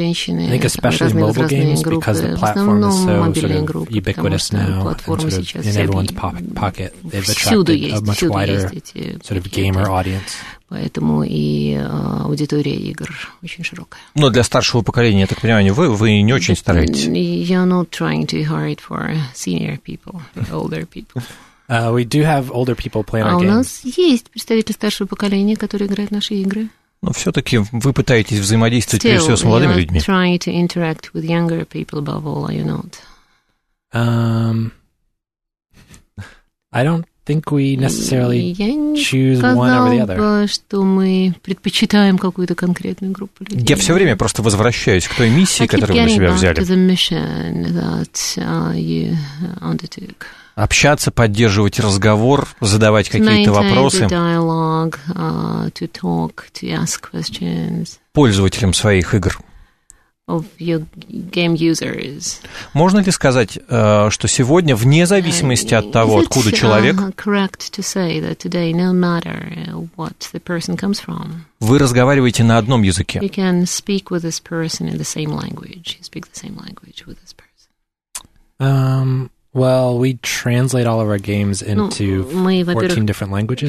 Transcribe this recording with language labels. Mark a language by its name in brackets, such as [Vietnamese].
[English] I think especially mobile games, because the platform is so sort of ubiquitous now and sort of in everyone's pocket. They've attracted a much wider sort of gamer audience. [Russian] Поэтому и аудитория игр очень широкая. Но для старшего поколения, я так понимаю, вы не очень стараетесь. [English] You're not trying too hard for senior people, older people. We do have older people play our games. [Russian] У нас есть представители старшего поколения, которые играют в наши игры. Но все-таки вы пытаетесь взаимодействовать прежде всего с молодыми людьми. [English] Still, you're trying to interact with younger people above all, are you not? I don't think we necessarily choose one over the other. [Russian] Я не сказал бы, что мы предпочитаем какую-то конкретную группу людей. Я все время просто возвращаюсь к той миссии, которую мы на себя взяли. [English] I keep getting back to the mission that you undertook. [Russian] Общаться, поддерживать разговор, задавать какие-то вопросы. [English] Dialogue, to talk, to ask questions. [Russian] Пользователям своих игр. [English] Of your game users. [Russian] Можно ли сказать, что сегодня, вне зависимости от того, откуда человек, вы разговариваете на одном языке? [English] You can speak with this person in the same language. You speak the same language with this person. Well, we translate all of our games into 14 different languages.